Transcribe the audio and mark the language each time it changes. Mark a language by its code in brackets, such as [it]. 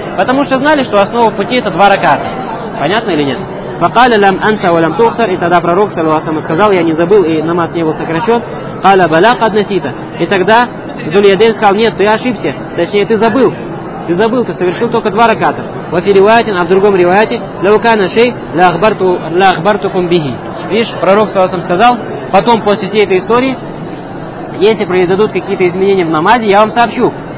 [ru] Потому что знали, что основа пути это 2 раката. Понятно или нет? [ar] فَقَالَ لَمْ أَنْسَ وَلَمْ تُخْسَرْ. [ru] И тогда пророк [ar] صلى الله عليه وسلم [ru] сказал, я не забыл, и намаз не был сокращен. [ar] قَالَ بَلَا قَدْ نَسِيتَ. [ru] И тогда Зульядейн сказал, нет, ты ошибся, точнее, ты забыл, ты совершил только 2 раката. [ar] وَفِي رِوَيَةٍ, [ru] а в другом ревайте, [ar] لَوْ كَانَ شَيْ لَأَخْبَرْتُكُمْ بِهِ. [ru] Видишь, пророк [ar] صلى الله عليه وسلم [ru] сказал, потом, после всей этой истории, если произойдут какие-то изменения в намазе, я вам сообщу.